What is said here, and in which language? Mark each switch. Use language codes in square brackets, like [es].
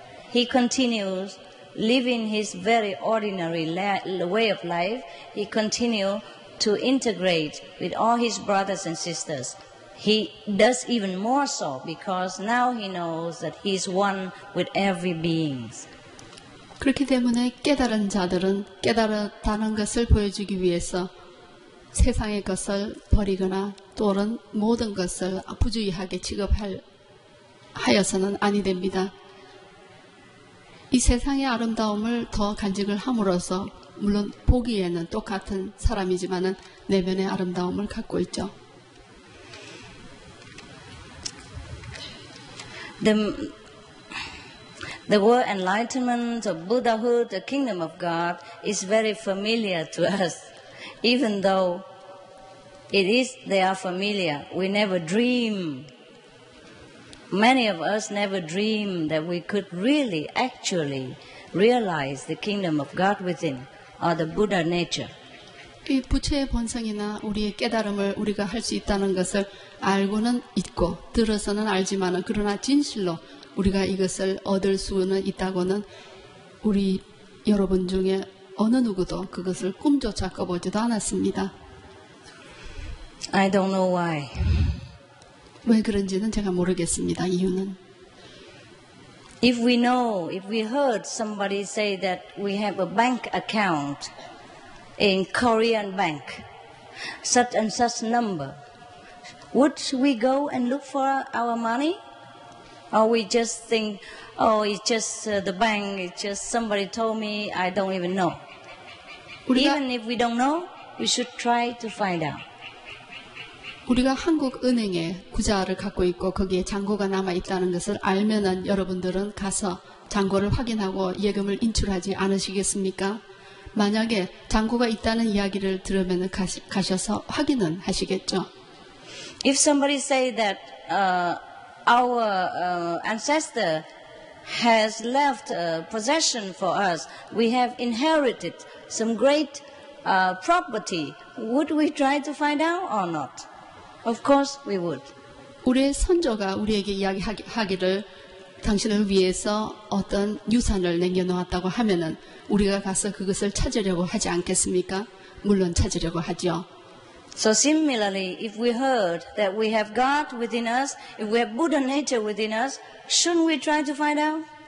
[en] He continues living his very ordinary way of life. He continues to integrate with all his brothers and sisters. He does even more so because now he knows that he is one with every being. [ko] 그렇기 때문에 깨달은 자들은 깨달았다는 것을 보여주기 위해서 세상의 것을 버리거나 또는 모든 것을 부주의하게 취급하여서는 아니 됩니다. 이 세상의 아름다움을 더 간직을 함으로써 물론 보기에는 똑같은 사람이지만은 내면의 아름다움을 갖고 있죠. [en] The word enlightenment, or Buddhahood, the kingdom of God is very familiar to us. Even though they are familiar, we never dream. Many of us never dream that we could really, actually realize the kingdom of God within, or the Buddha nature. [ko] 이 부처의 본성이나 우리의 깨달음을 우리가 할 수 있다는 것을 알고는 있고 들어서는 알지만 그러나 진실로 우리가 이것을 얻을 수는 있다고는 우리 여러분 중에 어느 누구도 그것을 꿈조차 꿔보지도 않았습니다. [en] I don't know why. [ko] 왜 그런지는 제가 모르겠습니다. 이유는 [en] If we know, if we heard somebody say that we have a bank account in Korean bank, such and such number, would we go and look for our money? Or we just think, oh, it's just the bank, it's just somebody told me, I don't even know. Even if we don't know, we should try to find out. [ko] 우리가 한국은행에 구좌를 갖고 있고 거기에 잔고가 남아있다는 것을 알면은 여러분들은 가서 잔고를 확인하고 예금을 인출하지 않으시겠습니까? 만약에 잔고가 있다는 이야기를 들으면 가셔서 확인은 하시겠죠. [en] If somebody say that our ancestor has left a possession for us, we have inherited some great property, would we try to find out or not? Of course we would. [ko] 우리의 선조가 우리에게 이야기하기를 당신을 위해서 어떤 유산을 남겨놓았다고 하면은 우리가 가서 그것을 찾으려고 하지 않겠습니까? 물론 찾으려고 하죠. [en] So similarly, if we heard that we have God within us, if we have Buddha nature within us, shouldn't we try to find out?